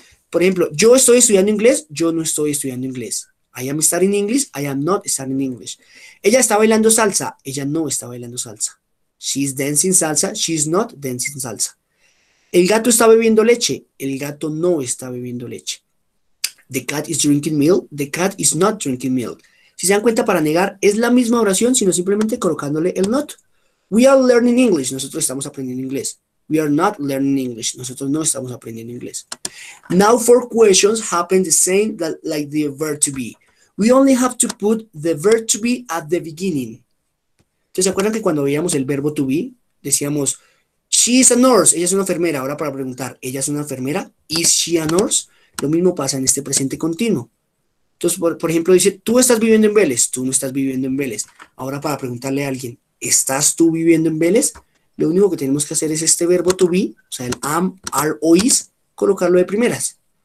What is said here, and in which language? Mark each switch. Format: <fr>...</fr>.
<es>Por ejemplo, yo estoy estudiando inglés, yo no estoy estudiando inglés.</es> <en>I am studying English, I am not studying English.</en> <es>Ella está bailando salsa, ella no está bailando salsa.</es> <en>She's dancing salsa, she's not dancing salsa.</en> <es>El gato está bebiendo leche, el gato no está bebiendo leche.</es> <en>The cat is drinking milk, the cat is not drinking milk.</en> <es>Si se dan cuenta, para negar es la misma oración, sino simplemente colocándole el not.</es> <en>We are learning English,</en> <es>nosotros estamos aprendiendo inglés.</es> <en>We are not learning English,</en> <es>nosotros no estamos aprendiendo inglés.</es> <en>Now for questions, happen the same that, like the verb to be. We only have to put the verb to be at the beginning.</en> <es>Entonces, ¿se acuerdan que cuando veíamos el verbo to be, decíamos,</es> <en>she is a nurse,</en> <es>ella es una enfermera? Ahora para preguntar, ¿ella es una enfermera?</es> <en>Is she a nurse?</en> <es>Lo mismo pasa en este presente continuo. Entonces, por ejemplo, dice, tú estás viviendo en Vélez, tú no estás viviendo en Vélez. Ahora para preguntarle a alguien, ¿estás tú viviendo en Vélez? Lo único que tenemos que hacer es este verbo to be, o sea, el am, are o is, colocarlo de primeras.</es>